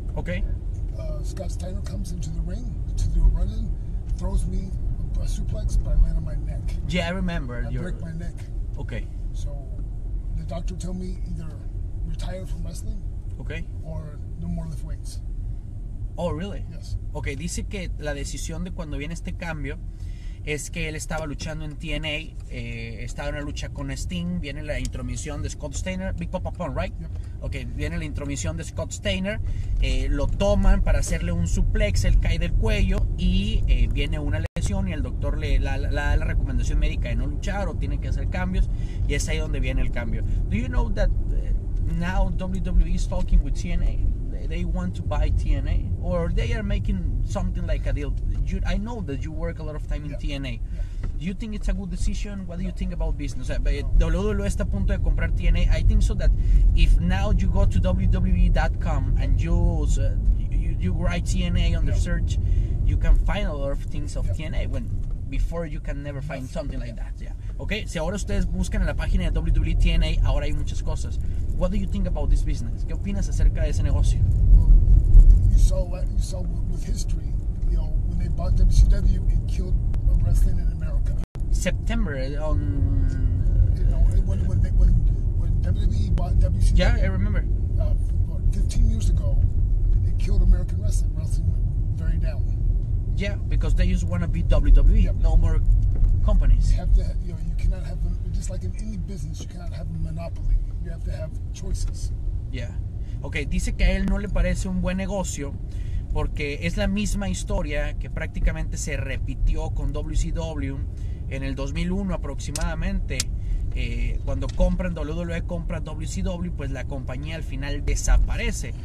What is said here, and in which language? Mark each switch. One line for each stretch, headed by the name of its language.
English: Okay. Scott Steiner comes into the ring to do a run-in, throws me a suplex, but I land on my neck. Yeah, I remember. Break my neck. Okay. So the doctor told me either retire from wrestling. Okay. Or no more lift weights. Oh, really? Yes.
Spanish: Okay, dice que la decisión de cuando viene este cambio es que él estaba luchando en TNA, estaba en la lucha con Sting, viene la intromisión de Scott Steiner, Big Papa Pump, right?
English: Yep.
Spanish: Okay, viene la intromisión de Scott Steiner, lo toman para hacerle un suplex, él cae del cuello y viene una lesión y el doctor le da la recomendación médica de no luchar o tiene que hacer cambios y es ahí donde viene el cambio.
English: Do you know that now WWE is talking with TNA? They want to buy TNA or they are making something like a deal. I know that you work a lot of time in TNA. Do you think it's a good decision? What do you think about business?
Spanish: WWE está a punto de comprar TNA.
English: I think so that if now you go to WWE.com and you write TNA on the search, you can find a lot of things of TNA when before you can never find something like that. Yeah. Okay.
Spanish: Si ahora ustedes buscan en la página de WWE TNA, ahora hay muchas cosas.
English: What do you think about this business?
Spanish: ¿Qué opinas acerca de ese negocio?
English: Well, you saw with history, you know, when they bought WCW, it killed wrestling in America. September on. You know, when WWE bought WCW. Yeah, I remember. 15 years ago, it killed American wrestling. Wrestling went very down. Yeah, because they just want to beat WWE. Yep. No more companies. You have to, you know, you cannot have just like in any business, you cannot have a monopoly. You have to have choices. Yeah.
Spanish: Okay, dice que a él no le parece un buen negocio porque es la misma historia que prácticamente se repitió con WCW en el 2001 aproximadamente. Cuando compran WWE, compra WCW, pues la compañía al final desaparece.